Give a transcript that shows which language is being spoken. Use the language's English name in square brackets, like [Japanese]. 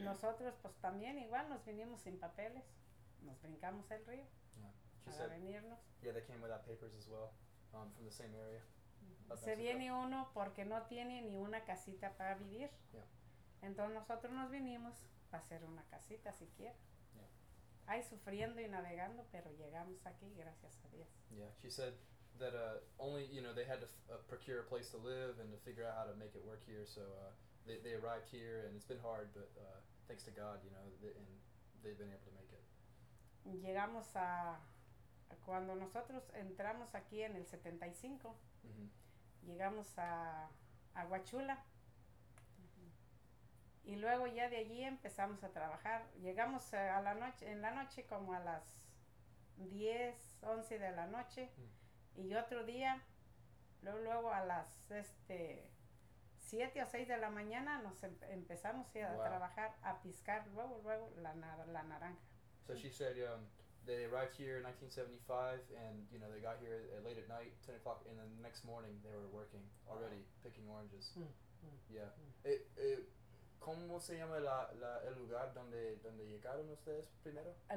[Spanish] Nosotros pues también igual nos vinimos sin papeles, nos brincamos el río para venirnos. [English] Yeah, they came without papers as well, from the same area. [Spanish] Se viene uno porque no tiene ni una casita para vivir. Yeah. Entonces nosotros nos vinimos para hacer una casita siquiera. Yeah. Ahí sufriendo y navegando, pero llegamos aquí, gracias a Dios. [English] Yeah, she said that only, you know, they had to procure a place to live and to figure out how to make it work here, so they arrived here, and it's been hard, but thanks to God, you know, they've been able to make it. [Spanish] Llegamos a, cuando nosotros entramos aquí en el 75, mm-hmm. llegamos a Huachula, y luego ya de allí empezamos a trabajar. Llegamos a la noche, en la noche como a las 10, 11 de la noche, y otro día, luego a las 7 o 6 de la mañana, nos empezamos a wow. trabajar, a piscar luego la naranja. [English] So she said they arrived here in 1975, and you know, they got here at late at night, 10 o'clock, and then the next morning they were working already, picking oranges. Yeah. [Spanish] ¿Cómo se llama el lugar donde llegaron ustedes primero?